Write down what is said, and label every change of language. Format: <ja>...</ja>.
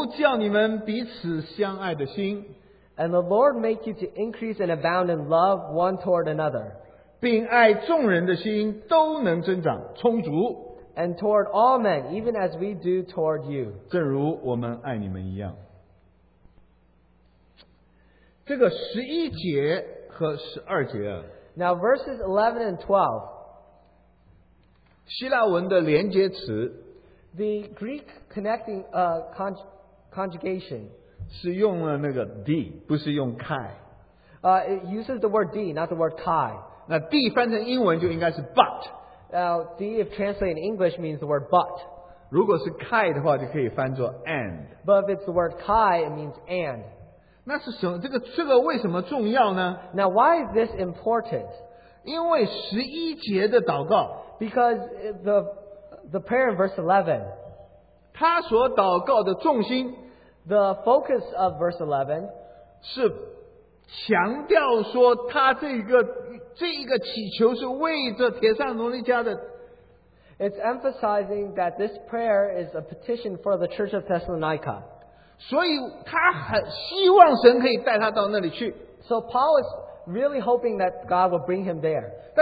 <zh>又愿主叫你们彼此相爱的心。</zh> <en>And the Lord make you to increase and abound in love one toward another.</en> <zh>并爱众人的心都能增长充足。</zh> <en>And toward all men, even as we do toward you.</en> <zh>正如我们爱你们一样。这个11节和12节,</zh> <en>now verses 11 and 12.</en> <zh>希腊文的连接词,</zh> <en>the Greek connecting conjugation.</en> <zh>是用了那个 d, 不是用 kai.</zh> <en>It uses the word d, not the word kai.</en> <zh>那 d 翻成英文就应该是 but.</zh> <en>Now d, if translated in English, means the word but.</en> <zh>如果是 kai 的话，就可以翻作 and.</zh> <en>But if it's the word kai, it means and.</en> <zh>那是什么？这个为什么重要呢？</zh> <en>Now why is this important?</en> <zh>因为11节的祷告,</zh> <en>because the prayer in verse 11.</en> <zh>他所祷告的重心,</zh> <en>the focus of verse 11</en> <zh>是强调说他这一个祈求是为着帖撒罗尼迦的,</zh> <en>it's emphasizing that this prayer is a petition for the church of Thessalonica.</en> <zh>所以他很希望神可以带他到那里去。</zh> <en>So Paul is really hoping that God will bring him there.</en>